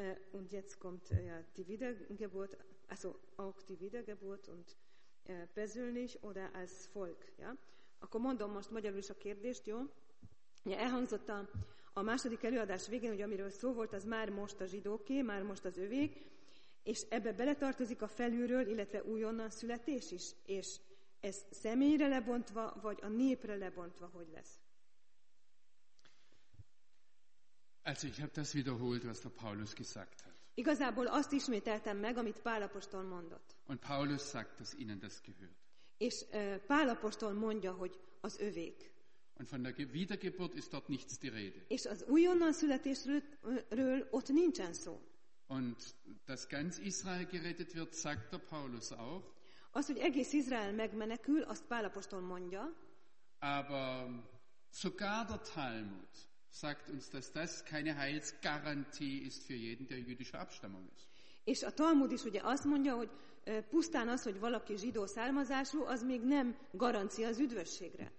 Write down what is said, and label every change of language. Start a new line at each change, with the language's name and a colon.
German: Und jetzt kommt ja die Wiedergeburt, also auch die Wiedergeburt und persönlich oder als Volk. Ja?
Hungarian: Akkor mondom most magyarul is a kérdést, jó? Ja, elhangzott a második előadás végén, hogy amiről szó volt, az már most a zsidóké, már most az övék, És ebbe beletartozik a felülről, illetve újonnan születés is, és ez személyre lebontva, vagy a népre lebontva, hogy lesz?
German: Also ich habe das wiederholt, was der Paulus gesagt hat.
Hungarian: Igazából azt ismételtem meg, amit Pál apostol mondott.
German: Und Paulus sagt, dass ihnen das gehört.
Hungarian: És Pál apostol mondja, hogy az övék.
German: Und von der Wiedergeburt ist dort nichts die Rede.
Hungarian: És az újonnan születésről ott nincsen szó.
German: Und dass ganz Israel gerettet wird, sagt der Paulus auch.
Hungarian: Az, hogy egész Izrael megmenekül, azt Pál apostol mondja.
German: Aber sogar der Talmud sagt uns, dass das keine Heilsgarantie ist für jeden, der jüdischer Abstammung ist.
Hungarian: És a Talmud is ugye azt mondja, hogy pusztán az, hogy valaki zsidó származású, az még nem garancia az üdvösségre.